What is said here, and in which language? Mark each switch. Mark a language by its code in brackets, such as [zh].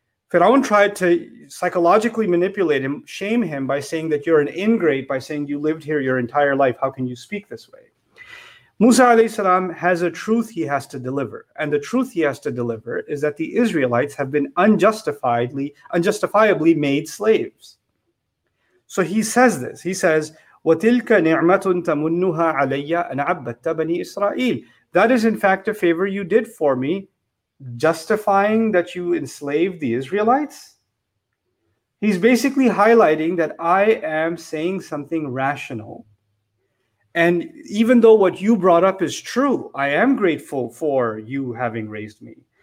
[en] Fir'aun tried to psychologically manipulate him, shame him by saying that you're an ingrate, by saying you lived here your entire life. How can you speak this way? Musa alayhi salam has a truth he has to deliver. And the truth he has to deliver is that the Israelites have been unjustifiably made slaves. So he says this. He says, [ar] وَتِلْكَ نِعْمَةٌ تَمُنُّهَا عَلَيَّ أَنْ عَبَّدْتَ بَنِي إِسْرَائِيلِ. [en] That is in fact a favor you did for me, justifying that you enslaved the Israelites. He's basically highlighting that I am saying something rational. And even though what you brought up is true, I am grateful for you having raised me.